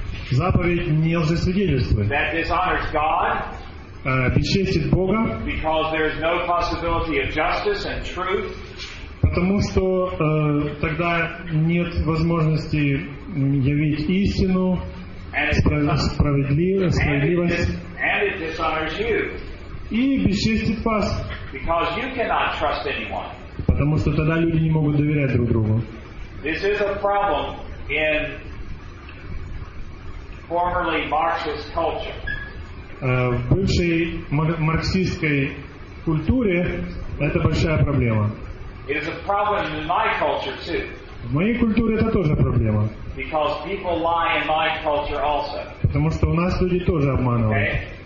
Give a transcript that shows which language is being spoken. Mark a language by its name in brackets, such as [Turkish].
[Russian] Заповедь не лжесвидетельствует. [English] That dishonors God. [Russian] Бесчестит Бога. [English] Because there is no possibility of justice and truth. [Russian] Потому что тогда нет возможности явить истину, справедливость. [English] And it dishonors you. [Russian] И бесчестит вас. [English] Because you cannot trust anyone. [Russian] Потому что тогда люди не могут доверять друг другу. [English] This is a problem in formerly Marxist culture. [Russian] В бывшей марксистской культуре это большая проблема. [English] It is a problem in my culture too. [Russian] В моей культуре это тоже проблема. [English] Because people lie in my culture also. [Russian] Потому что у нас люди тоже обманывают.